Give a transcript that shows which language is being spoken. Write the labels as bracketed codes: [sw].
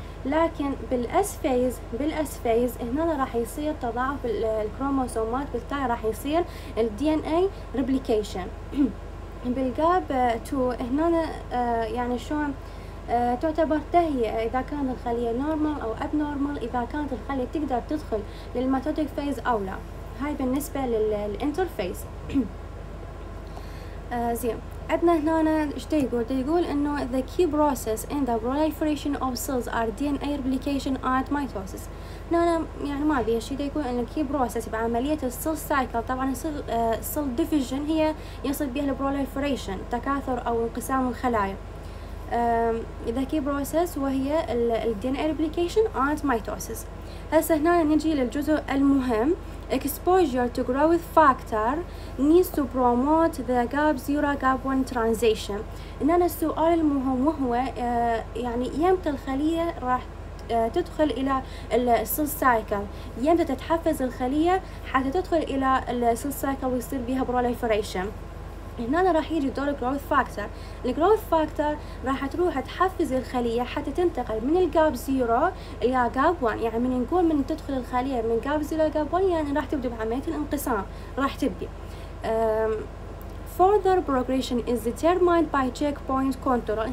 [ar] لكن بالاس فيز هنا راح يصير تضاعف الكروموسومات، بالتالي راح يصير الدي ان اي ريبليكيشن. بالجاب 2 هنا يعني شلون تعتبر تهيئة اذا كانت الخلية نورمال او اب نورمال، اذا كانت الخلية تقدر تدخل للميتوتيك فيز او لا. هاي بالنسبة للانترفيز. زين، عندنا هنا ايش تقول؟ تقول انه [en] the key process in the proliferation of cells are DNA replication and mitosis. [ar] هنا يعني ما ادري ايش تقول ان [en] key process [ar] بعملية السيل سايكل، طبعا السيل ديفيجن هي يصل بها البروليفريشن، تكاثر او انقسام الخلايا. [en] The key process [ar] وهي ال [en] DNA replication and mitosis. [ar] هسه هنا نجي للجزء المهم. [en] Exposure to growth factor needs to promote the gap 0 gap 1 transition. [ar] إن أنا السؤال المهم وهو يعني يمتى الخلية راح تدخل إلى السيل سايكل، يمتى تتحفز الخلية حتى تدخل إلى السيل سايكل ويصير بيها بروليفريشن. هنا راح يجي دور الجروث فاكتور. الجروث فاكتور راح تروح تحفز الخلية حتى تنتقل من الجاب 0 إلى جاب 1. يعني من نقول من تدخل الخلية من جاب 0 إلى جاب 1 يعني راح تبدأ بعملية الانقسام، راح تبدأ. [en] Further progression is determined by checkpoint control.